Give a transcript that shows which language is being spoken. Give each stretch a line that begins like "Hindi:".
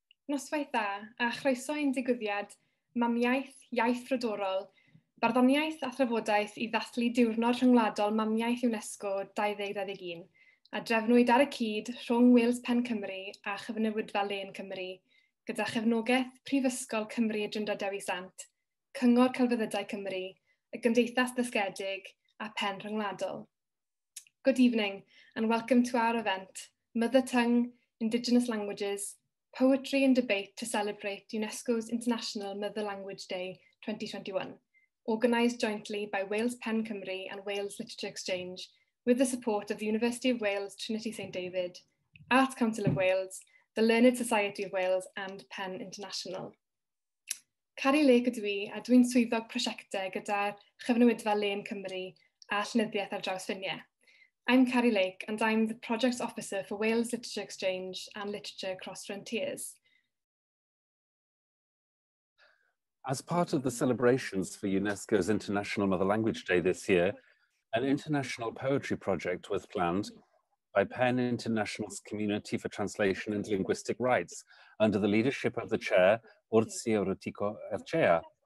Welsh: Noswaith dda, a chroeso i'n digwyddiad Mamiaeth Iaith Frodorol, Barddoniaeth a Thrafodaeth i Ddathlu Diwrnod Rhyngwladol Mamiaeth UNESCO 2021, a drefnwyd ar y cyd rhwng Wales Pen Cymru a Chyfnewidfa Len Cymru, gyda chefnogaeth Prifysgol Cymru y Drindod Dewi Sant, Cyngor Celfyddydau Cymru, y Gymdeithas Ddysgedig a Pen Rhyngwladol.
English: Good evening and welcome to our event, Mothertongue, Indigenous Languages, Poetry and Debate to Celebrate UNESCO's International Mother Language Day 2021, organised jointly by Wales Pen Cymru and Wales Literature Exchange, with the support of the University of Wales Trinity St David, Arts Council of Wales, the Learned Society of Wales and Pen International.
Welsh: Cari Leic ydw i, a dwi'n swyddog prosiectau gyda'r Chyfnewidfa Len Cymru a Llenyddiaeth ar draws ffiniau.
English: I'm Cari Leic and I'm the Projects Officer for Wales Literature Exchange and Literature Across Frontiers. As part of the celebrations for UNESCO's International Mother Language Day this year, an international poetry project was planned by Pen International's Community for Translation and Linguistic Rights under the leadership of the chair, Urtzi Orutiko Ercea.